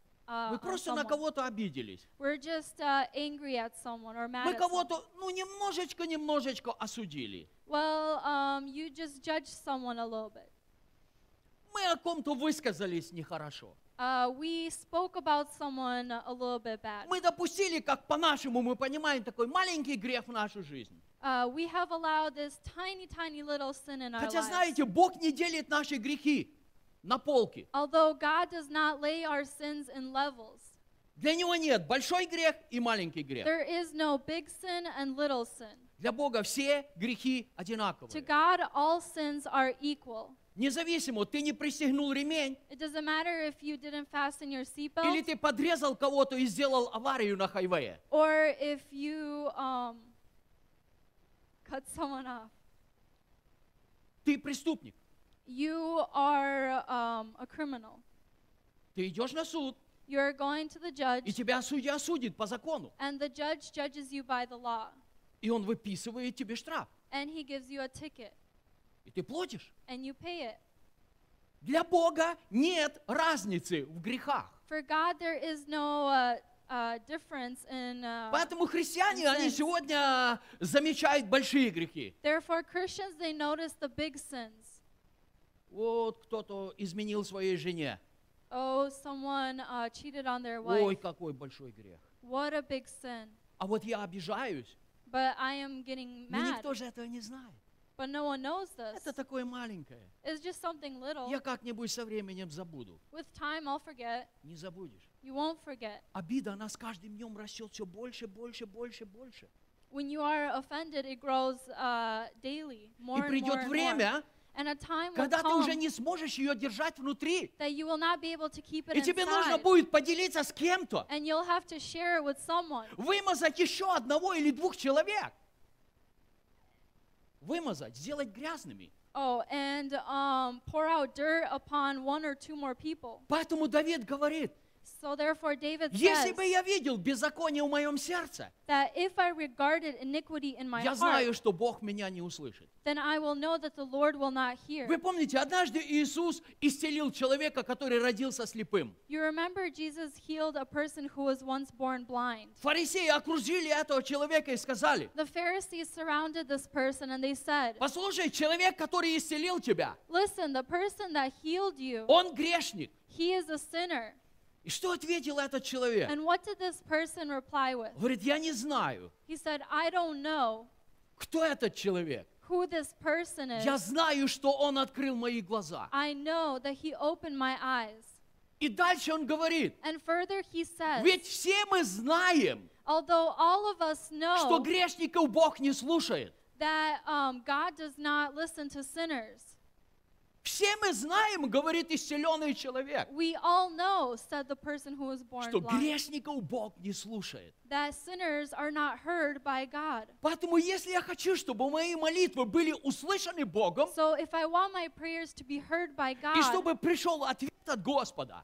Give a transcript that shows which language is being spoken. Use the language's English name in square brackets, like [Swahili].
[Russian] мы просто на кого-то обиделись. [English] We're just angry at someone or mad [Russian] мы кого-то, ну, немножечко осудили. [English] Well, you just judge someone a little bit. [Russian] Мы о ком-то высказались нехорошо. [English] We spoke about someone a little bit bad. [Russian] Мы допустили, как по-нашему мы понимаем, такой маленький грех в нашу жизнь. [English] We have allowed this tiny little sin in [Russian] хотя, [English] our lives. [Russian] Хотя, знаете, Бог не делит наши грехи. На полке. [English] Although God does not lay our sins in levels. [Russian] Для него нет большой грех и маленький грех. [English] There is no big sin and little sin. [Russian] Для Бога все грехи одинаковые. [English] To God, all sins are equal. [Russian] Независимо, ты не пристегнул ремень. [English] It doesn't matter if you didn't fasten your seatbelt. [Russian] Или ты подрезал кого-то и сделал аварию на хайвее. [English] Or if you cut someone off. [Russian] Ты преступник. [English] You are a criminal. [Russian] Ты идешь на суд. [English] You're going to the judge. [Russian] И тебя судья судит по закону. [English] And the judge judges you by the law. [Russian] И он выписывает тебе штраф. [English] And he gives you a ticket. [Russian] И ты платишь. [English] And you pay it. [Russian] Для Бога нет разницы в грехах. [English] For God there is no difference in sins. [Russian] Поэтому христиане, они сегодня замечают большие грехи. [English] Therefore Christians, they notice the big sins. [Russian] Вот кто-то изменил своей жене. [English] Oh, someone cheated on their wife. [Russian] Ой, какой большой грех. [English] What a big sin. [Russian] А вот я обижаюсь. [English] But I am getting mad. [Russian] Но никто же этого не знает. [English] But no one knows this. [Russian] Это такое маленькое. [English] It's just something little. [Russian] Я как-нибудь со временем забуду. [English] With time, I'll forget. [Russian] Не забудешь. [English] You won't forget. [Russian] Обида, она с каждым днем растет все больше, больше, больше, больше. [English] When you are offended, it грows daily, more [Russian] и придет время, [English] and a time [Russian] когда [English] will come, [Russian] ты уже не сможешь ее держать внутри, [English] that you will not be able to keep it [Russian] и [English] inside, [Russian] тебе нужно будет поделиться с кем-то, [English] and you'll have to share it with someone, [Russian] вымазать еще одного или двух человек, вымазать, сделать грязными. [English] Oh, and pour out dirt upon one or two more people. [Russian] Поэтому Давид говорит, [English] so therefore David says, [Russian] если бы я видел беззаконие в моем сердце, [English] that if I regarded iniquity in my [Russian] я знаю, [English] heart, [Russian] что Бог меня не услышит. [English] Then I will know that the Lord will not hear. [Russian] Вы помните, однажды Иисус исцелил человека, который родился слепым. [English] You remember Jesus healed a person who was once born blind. [Russian] Фарисеи окружили этого человека и сказали, [English] the Pharisees surrounded this person and they said, [Russian] послушай, человек, который исцелил тебя, [English] listen, the person that healed you, [Russian] он грешник. [English] He is a sinner. [Russian] И что ответил этот человек? [English] And what did this person reply with? [Russian] Говорит, я не знаю. [English] He said, I don't know. [Russian] Кто этот человек? [English] Who this person is. [Russian] Я знаю, что он открыл мои глаза. [English] I know that he opened my eyes. [Russian] И дальше он говорит. [English] And further he says. [Russian] Ведь все мы знаем. [English] Although all of us know. [Russian] Что грешников Бог не слушает. [English] That God does not listen to sinners. [Russian] Все мы знаем, говорит исцеленный человек, [English] we all know, said the person who was born [Russian] что [English] blind, [Russian] грешников Бог не слушает. [English] That sinners are not heard by God. [Russian] Поэтому, если я хочу, чтобы мои молитвы были услышаны Богом, [English] so if I want my prayers to be heard by God, [Russian] и чтобы пришел ответ от Господа,